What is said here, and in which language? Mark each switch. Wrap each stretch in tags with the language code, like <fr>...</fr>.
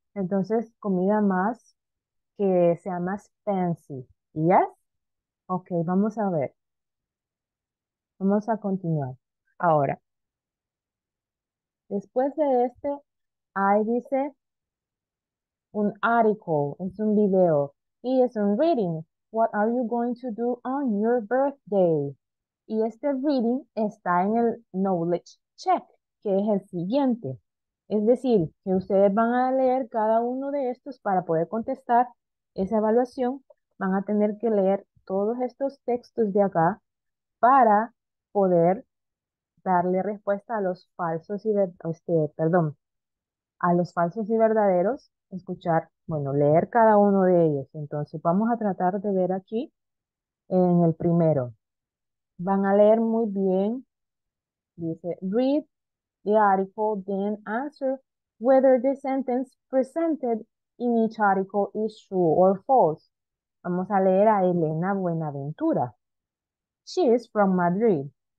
<es>Entonces, comida más, que sea más fancy. ¿Yes? Ok, vamos a ver. Vamos a continuar. Ahora, después de este, ahí dice un article, es un video, y es un reading.</es> <en>What are you going to do on your birthday?</en> <es>Y este reading está en el knowledge check, que es el siguiente. Es decir, que ustedes van a leer cada uno de estos para poder contestar esa evaluación, van a tener que leer todos estos textos de acá para poder darle respuesta a los falsos y perdón, a los falsos y verdaderos, escuchar, bueno, leer cada uno de ellos. Entonces, vamos a tratar de ver aquí en el primero. Van a leer muy bien.</es> <en>Dice, read the article, then answer whether the sentence presented in each article is true or false.</en> <es>Vamos a leer a Elena Buenaventura.</es> <en>She is from Madrid.</en>